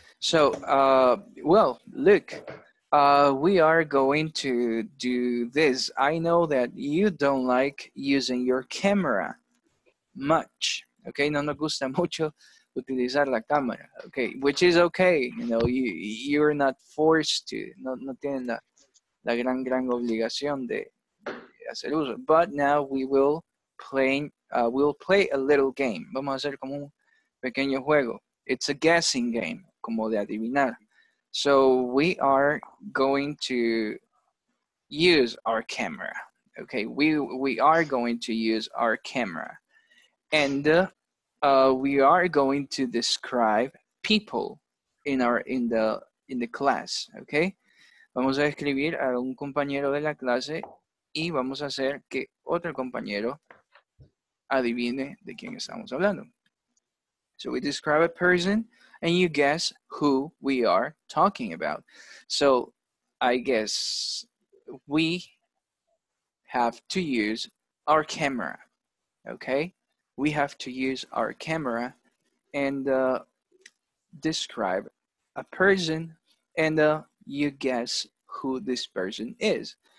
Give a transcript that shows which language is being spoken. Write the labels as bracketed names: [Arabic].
[English] So, well, look, we are going to do this. I know that you don't like using your camera much, okay? [Spanish] No nos gusta mucho utilizar la cámara, okay? [English] Which is okay, you know, you're not forced to. [Spanish] No tienen la gran obligación de hacer uso. [English] But now we will play a little game. [Spanish] Vamos a hacer como un pequeño juego. [English] It's a guessing game. [Spanish] Como de adivinar. [English] So we are going to use our camera. Okay, we are going to use our camera. And we are going to describe people in the class. [Spanish] Okay, vamos a escribir a un compañero de la clase y vamos a hacer que otro compañero adivine de quién estamos hablando. [English] So we describe a person. And you guess who we are talking about. So I guess we have to use our camera, okay? We have to use our camera and describe a person and you guess who this person is.